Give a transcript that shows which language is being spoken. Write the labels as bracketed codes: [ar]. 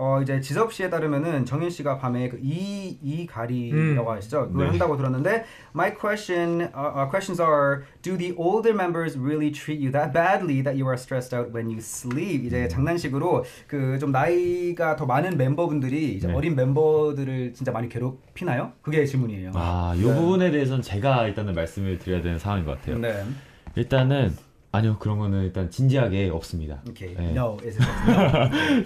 [ko] 이제 지섭 씨에 따르면은 정연 씨가 밤에 그 이 가리라고 하시죠. 그걸 네. 한다고 들었는데 [en] my questions are do the older members really treat you that badly that you are stressed out when you sleep? [ko] 이제 장난식으로 그 좀 나이가 더 많은 멤버분들이 이제 네. 어린 멤버들을 진짜 많이 괴롭히나요? 그게 질문이에요. 아, 요 네. 부분에 대해서는 제가 일단은 말씀을 드려야 되는 상황인 것 같아요. 네. 일단은 아니요, 그런 거는 일단 진지하게 없습니다. [en] Okay. [ko] 네. [en] No, is it?